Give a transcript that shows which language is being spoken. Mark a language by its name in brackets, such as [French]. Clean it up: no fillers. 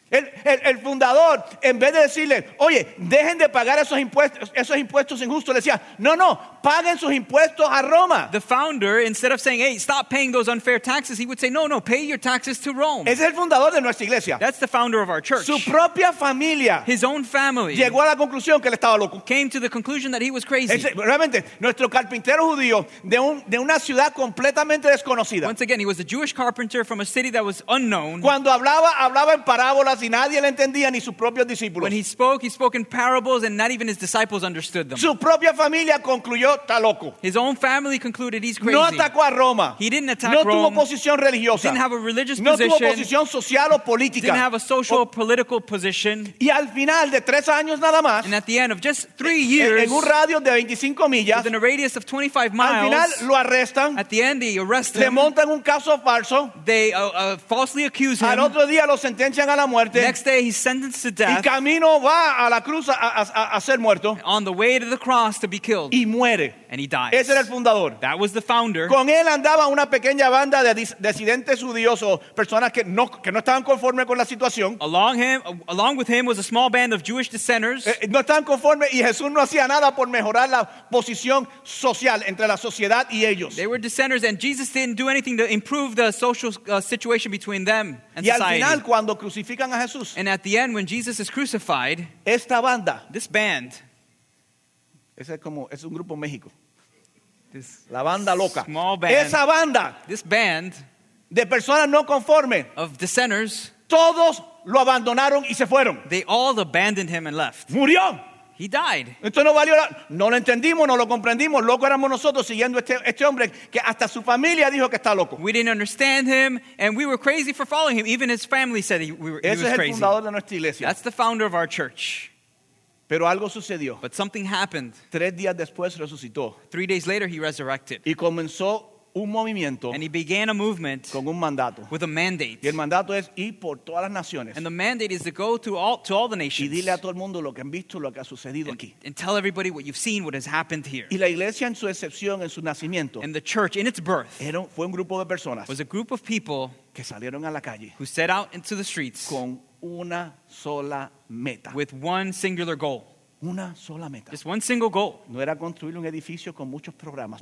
[Spanish] El fundador, en vez de decirle, oye, dejen de pagar esos impuestos injustos, le decía, no, paguen sus impuestos a Roma. [English] The founder, instead of saying, hey, stop paying those unfair taxes, he would say, no, pay your taxes to Rome. [Spanish] Ese es el fundador de nuestra iglesia. [English] That's the founder of our church. [Spanish] Su propia familia. [English] His own family. [Spanish] Llegó a la conclusión que él estaba loco. [English] Came to the conclusion that he was crazy. [Spanish] Realmente, nuestro carpintero judío de una ciudad completamente desconocida. [English] Once again, he was a Jewish carpenter from a city that was unknown. [Spanish] Cuando hablaba en parábolas. Y nadie le entendía ni sus propios discípulos. [English] When he spoke in parables and not even his disciples understood them. [Spanish] Su propia familia concluyó está loco. [English] His own family concluded he's crazy. [Spanish] No atacó a Roma. [English] He didn't attack [Spanish] no [English] Rome. [Spanish] Tuvo posición religiosa. [English] Didn't have a religious [Spanish] no [English] position. [Spanish] No tuvo posición social o política. [English] Didn't have a social or political position. [Spanish] Y al final de 3 años nada más. [English] And at the end of just 3 years. [Spanish] En un radio de 25 millas. [English] Within a radius of 25 miles. [Spanish] Al final lo arrestan. [English] At the end they arrest him. [Spanish] Le montan un caso falso. [English] They falsely accuse him. [Spanish] Al otro día lo sentencian a la muerte. [English] Next day he's sentenced to death. [Spanish] Y camino va a la cruz a ser muerto. [English] On the way to the cross to be killed. [Spanish] Y muere. [English] And he dies. [Spanish] Ese era el fundador. [English] That was the founder. [Spanish] Con él andaba una pequeña banda de disidentes judíos o personas que no estaban conforme con la situación. [English] Along with him was a small band of Jewish dissenters. [Spanish] No estaban conforme y Jesús no hacía nada por mejorar la posición social entre la sociedad y ellos. [English] They were dissenters and Jesus didn't do anything to improve the social situation between them and [Spanish] y [English] society. [Spanish] Y al final cuando crucifican a Jesús. [English] And at the end when Jesus is crucified. [Spanish] Esta banda. [English] This band. [Spanish] Ese es como es un grupo en México. [English] This [Spanish] la banda loca. [English] Small band, [Spanish] esa banda. [English] This band [Spanish] de personas no conforme. [English] Of dissenters. [Spanish] Todos lo abandonaron y se fueron. [English] They all abandoned him and left. [Spanish] Murió. [English] He died. [Spanish] Esto no valió. No lo entendimos, no lo comprendimos. Loco éramos nosotros siguiendo este hombre que hasta su familia dijo que está loco. [English] We didn't understand him and we were crazy for following him. Even his family said he was crazy. [Spanish] Ese es el fundador de nuestra iglesia. [English] That's the founder of our church. [Spanish] Pero algo sucedió. [English] But something happened. [Spanish] 3 días después resucitó. [English] 3 days later he resurrected. [Spanish] Y comenzó un movimiento. [English] And he began a movement. [Spanish] Con un mandato. [English] With a mandate. [Spanish] Y el mandato es ir por todas las naciones. [English] And the mandate is to go to all the nations. [Spanish] Y dile a todo el mundo lo que han visto, lo que ha sucedido aquí. [English] And tell everybody what you've seen, what has happened here. [Spanish] Y la iglesia en su excepción, en su nacimiento. [English] And the church in its birth. [Spanish] Fue un grupo de personas. [English] Was a group of people. [Spanish] Que salieron a la calle. [English] Who set out into the streets. [Spanish] Con una sola meta. [English] With one singular goal. [Spanish] Una sola meta. [English] Just one single goal. [Spanish] No era construir un edificio con muchos programas